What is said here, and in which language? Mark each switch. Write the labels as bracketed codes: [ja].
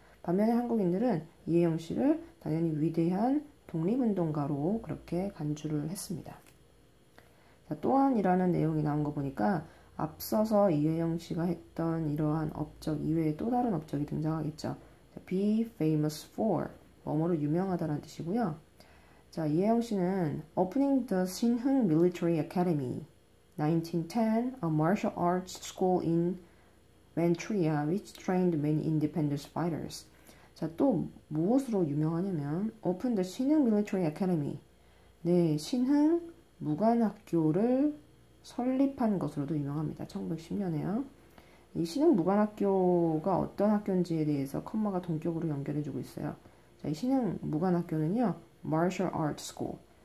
[ko] 반면에 한국인들은 이해 형식을 당연히 위대한 독립운동가로 그렇게 간주를 했습니다. 자, 또한이라는 내용이 나온 거 보니까 앞서서 이회영 씨가 했던 이러한 업적 이외에 또 다른 업적이 등장하겠죠. [en] Be famous for [ko] 뭐뭐로 유명하다라는 뜻이고요. [en] 자, 이회영 씨는 opening the Sinhung Military Academy 1910, a martial arts school in Manchuria which trained many independence fighters. [ko] 자, 또 무엇으로 유명하냐면 [en] open the Sinhung Military Academy. [ko] 네, 신흥 무관학교를 설립한 것으로도 유명합니다. 1910년에요. 이 신흥 무관학교가 어떤 학교인지에 대해서 콤마가 동격으로 연결해주고 있어요. 자, 이 신흥 무관학교는요, Martial Arts School.